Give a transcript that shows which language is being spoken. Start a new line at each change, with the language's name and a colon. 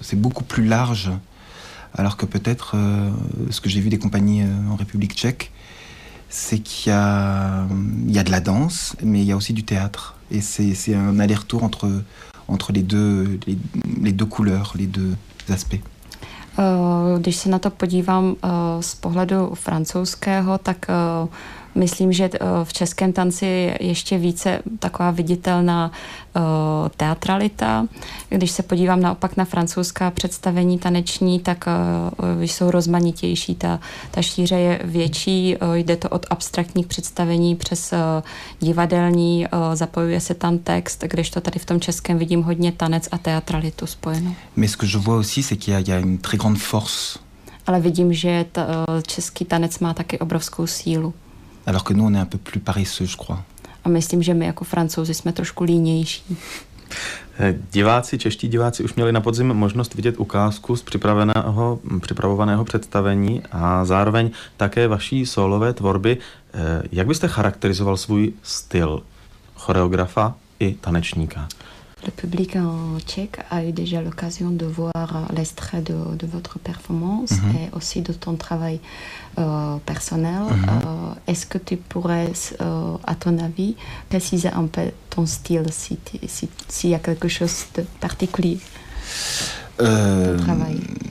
French: C'est beaucoup plus large. Alors que peut-être ce que j'ai vu des compagnies en République tchèque, c'est qu'il y a de la danse, mais il y a aussi du théâtre. Et c'est un aller-retour entre les deux couleurs, les deux aspects.
Czech: Když se na to podívám z pohledu francouzského, tak myslím, že v českém tanci je ještě více taková viditelná teatralita. Když se podívám naopak na francouzská představení taneční, tak jsou rozmanitější, ta šíře je větší, jde to od abstraktních představení přes divadelní, zapojuje se tam text, když to tady v tom českém vidím hodně tanec a teatralitu spojeno.
French: Mais ce que je vois aussi, c'est qu'il y a une très grande force.
Czech: Ale vidím, že český tanec má taky obrovskou sílu.
French: Alors que nous on est un peu plus paresseux, je crois.
Czech: A myslím, že my jako Francouzi jsme trošku línější. Diváci, čeští diváci už měli na podzim možnost vidět ukázku z připravovaného představení a zároveň také vaší solové tvorby. Jak byste charakterizoval svůj styl choreografa i tanečníka?
French: Le public en Tchèque a eu déjà l'occasion de voir l'extrait de votre performance mm-hmm. et aussi de ton travail personnel. Mm-hmm. Est-ce que tu pourrais, à ton avis, préciser un peu ton style, s'il y a quelque chose de particulier dans ton travail?